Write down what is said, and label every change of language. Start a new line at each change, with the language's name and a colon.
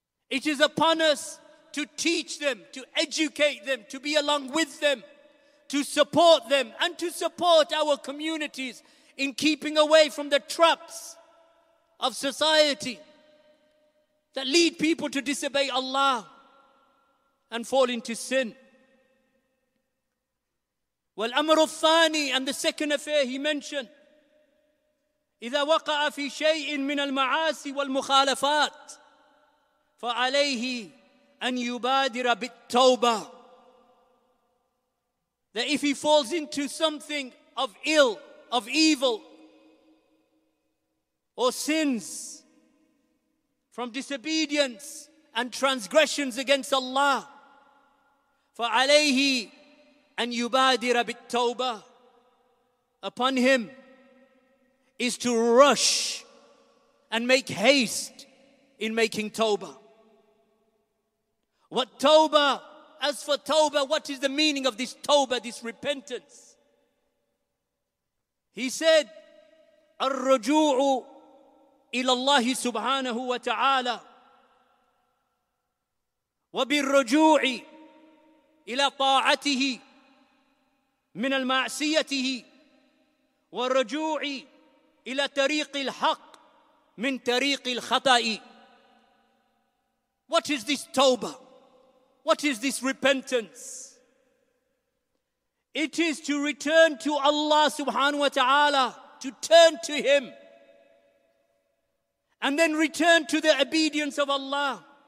English: It is upon us to teach them, to educate them, to be along with them, to support them, and to support our communities in keeping away from the traps of society that lead people to disobey Allah and fall into sin. Well, Amr al-Thani, and the second affair he mentioned,
Arabic: إِذَا وَقَعَ فِي شَيْءٍ مِنَ الْمَعَاسِ وَالْمُخَالَفَاتِ فَعَلَيْهِ أَنْ يُبَادِرَ بِالتَّوْبَةِ.
English: That if he falls into something of ill, of evil, or sins from disobedience and transgressions against Allah,
Arabic: فَعَلَيْهِ أَنْ يُبَادِرَ بِالتَّوْبَةِ,
English: upon him is to rush and make haste in making tawbah. What tawbah? As for tawbah, what is the meaning of this tawbah, this repentance? He said,
Arabic: الرجوع إلى الله سبحانه وتعالى وبالرجوع إلى طاعته من المعصيته والرجوع إلى طريق الحق من طريق الخطأ.
English: What is this tawbah? What is this repentance? It is to return to Allah subhanahu wa ta'ala, to turn to Him, and then return to the obedience of Allah.